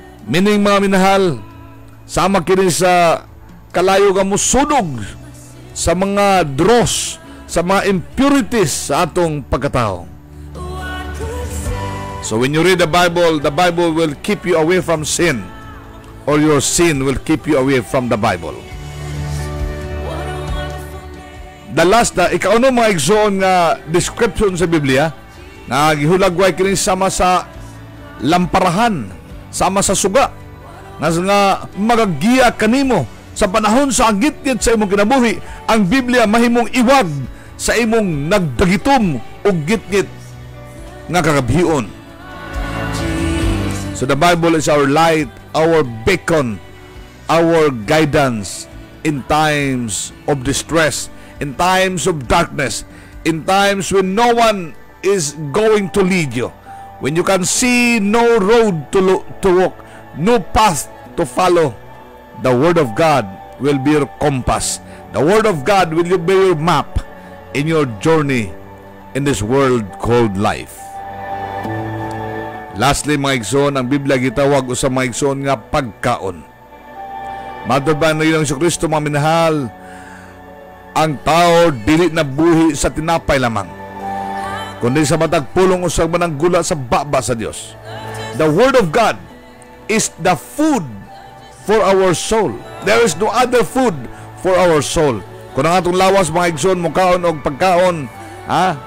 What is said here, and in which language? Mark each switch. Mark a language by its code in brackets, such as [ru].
[ceb] Meaning mga minahal, sama kini sa kalayo ka musunog sa mga dross, sa mga impurities sa atong pagkatao. [en] So when you read the Bible will keep you away from sin, or your sin will keep you away from the Bible. The last, [ceb] na ikauno mga igsoon nga description sa Biblia, na gihulagway kini sama sa lamparahan, sama sa suga, nga magagiya kanimo sa panahon sa anggit-git sa imong kinabuhi. Ang Biblia mahimong iwag sa imong nagdagitom o git-git nga kagabhion. [en] So the Bible is our light, our beacon, our guidance in times of distress, in times of darkness, in times when no one is going to lead you, when you can see no road to walk, no path to follow, the Word of God will be your compass. The Word of God will be your map in your journey in this world called life. [ceb] Lastly, mga igsoon, ang Biblia gitawag sa mga igsoon nga pagkaon. Madurban na yun ang Jesucristo, mga minahal, ang tao dili na buhi sa tinapay lamang, kundi sa matag pulong usag manang gula sa baba sa Dios. [en] The Word of God is the food for our soul. There is no other food for our soul. [ceb] Kung ang atong lawas, mga igsoon, mukaon o pagkaon, ha?